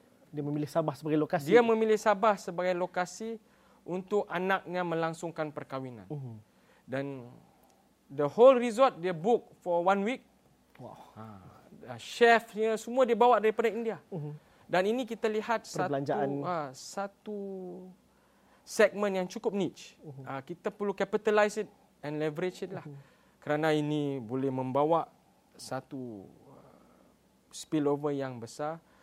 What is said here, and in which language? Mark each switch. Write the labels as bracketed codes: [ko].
[ms] memilih Sabah sebagai lokasi. Dia memilih Sabah sebagai lokasi untuk anaknya melangsungkan perkahwinan. [en] Dan the whole resort dia book for one week. [ms] Chefnya semua dia bawa daripada India. Dan ini kita lihat satu segmen yang cukup niche. Kita perlu [en] capitalize it and leverage it [ms] lah. Kerana ini boleh membawa satu spillover yang besar.